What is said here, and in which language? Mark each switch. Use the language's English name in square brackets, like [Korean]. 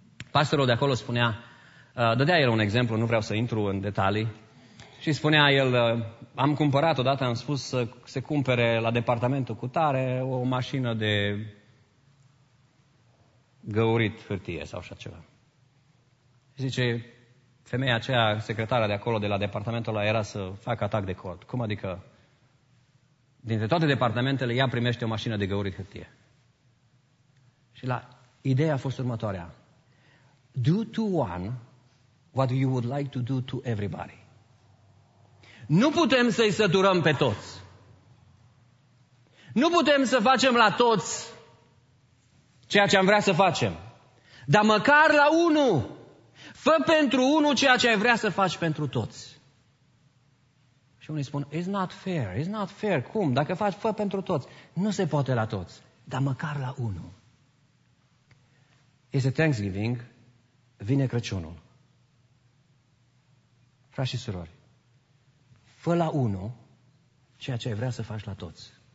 [Romanian] Pastorul de acolo spunea, dădea el un exemplu, nu vreau să intru în detalii, și spunea el, am cumpărat odată, am spus să se cumpere la departamentul cutare o mașină de găurit hârtie sau așa ceva. Zice, femeia aceea, secretara de acolo, de la departamentul ăla, era să facă atac de cord. Cum adică? Dintre toate departamentele, ea primește o mașină de găurit hârtie. Și la ideea a fost următoarea. [English] Do to one what you would like to do to everybody. [Romanian] Nu putem să-i săturăm pe toți. Nu putem să facem la toți ceea ce am vrea să facem. Dar măcar la unul. Fă pentru unul ceea ce ai vrea să faci pentru toți. Și unii spun, [English] it's not fair, it's not fair. [Romanian] Cum? Dacă faci, fă pentru toți. Nu se poate la toți, dar măcar la unul. Este Thanksgiving, vine Crăciunul. Frați și surori, fă la unul ceea ce ai vrea să faci la toți.